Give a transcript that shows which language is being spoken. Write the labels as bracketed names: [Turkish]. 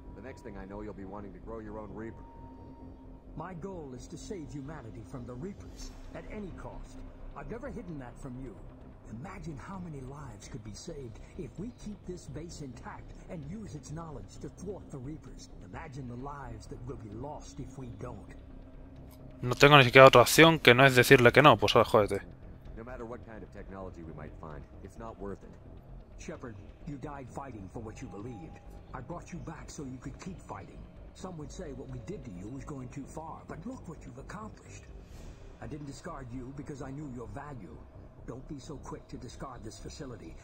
[English] The next thing I know, you'll be wanting to grow your own Reaper. My goal is to save humanity from the Reapers at any cost. I've never hidden that from you. Imagine how many lives could be saved if we keep this base intact and use its knowledge to thwart the Reapers. Imagine the lives that will be lost if we don't. [Spanish] No tengo ni siquiera otra opción que no es decirle que no, pues ahora jódete. [English] No matter what kind of technology we might find, it's not worth it. Shepard, you died fighting for what you believed. I brought you back so you could keep fighting. Some would say what we did to you was going too far, but look what you've accomplished. I didn't discard you because I knew your value. Don't be so quick to discard this facility.